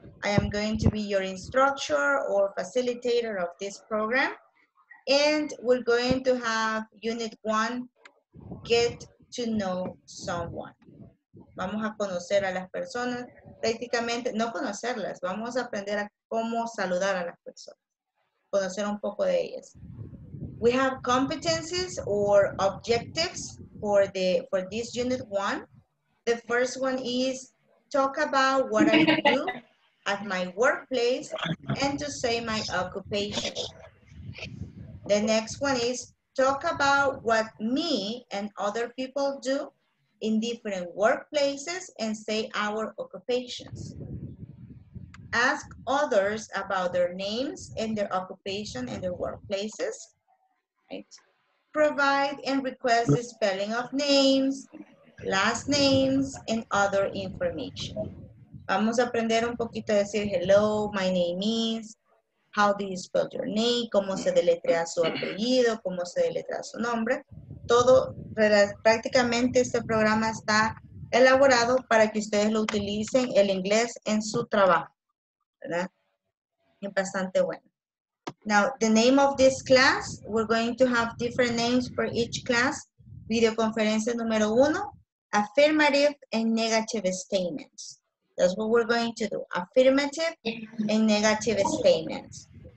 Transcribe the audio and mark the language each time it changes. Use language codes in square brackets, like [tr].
[en] I am going to be your instructor or facilitator of this program. And we're going to have Unit 1, Get to Know Someone. [es] Vamos a conocer a las personas, prácticamente, no conocerlas, vamos a aprender a cómo saludar a las personas, conocer un poco de ellas. [en] We have competencies or objectives for this Unit 1. The first one is talk about what I do at my workplace and to say my occupation. The next one is talk about what me and other people do in different workplaces and say our occupations. Ask others about their names and their occupation and their workplaces. Right? Provide and request the spelling of names, last names, and other information. [es] Vamos a aprender un poquito a decir [en] hello, my name is, how do you spell your name, [es] cómo se deletrea su apellido, cómo se deletrea su nombre. Todo, prácticamente este programa está elaborado para que ustedes lo utilicen, el inglés, en su trabajo. ¿Verdad? Es bastante bueno. [en] Now, the name of this class, we're going to have different names for each class. [es] Videoconferencia número uno, [en] affirmative and negative statements. That's what we're going to do, affirmative and negative statements.